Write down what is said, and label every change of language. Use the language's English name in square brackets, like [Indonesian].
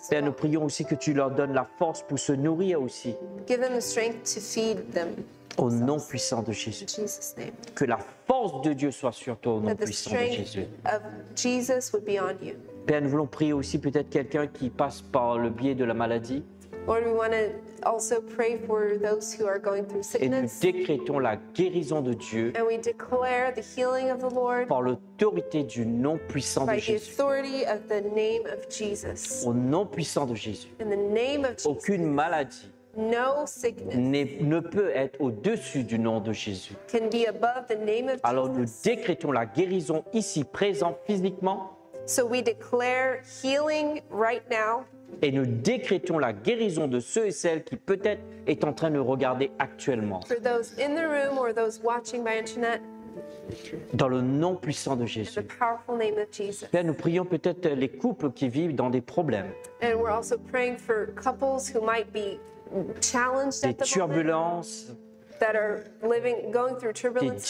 [French] Père, nous prions aussi que tu leur donnes la force pour se nourrir aussi. [English] Give them the strength to feed them. [French] Au nom puissant de Jésus. [English] In Jesus' name. [French] Que la force de Dieu soit sur toi au nom puissant de Jésus. [English] Of Jesus would be on you. [French] Père, nous voulons prier aussi peut-être quelqu'un qui passe par le biais de la maladie. [English] Lord, we want to also pray for those who are going through sickness. [French] Et nous décrétons la guérison de Dieu. [English] And we declare the healing of the Lord. [French] Par l'autorité du nom puissant de Jésus. [English] By the authority of the name of Jesus. [French] Au nom puissant de Jésus. [English] In the name of Jesus. [French] Aucune maladie. [English] No sickness [French] ne peut être au-dessus du nom de Jésus. [English] Can be above the name of Jesus. [French] Alors nous décrétons la guérison ici présent physiquement. [English] So we declare healing right now. [French] Et nous décrétons la guérison de ceux et celles qui peut-être est en train de regarder actuellement. [English] For those in the room or those watching by internet. [French] Dans le nom puissant de Jésus. [English] In the powerful name of Jesus. [French] Père, nous prions peut-être les couples qui vivent dans des problèmes. [English] And we're also praying for couples who might be challenged [French] des turbulences, [English] at the moment, that are living, going through turbulences,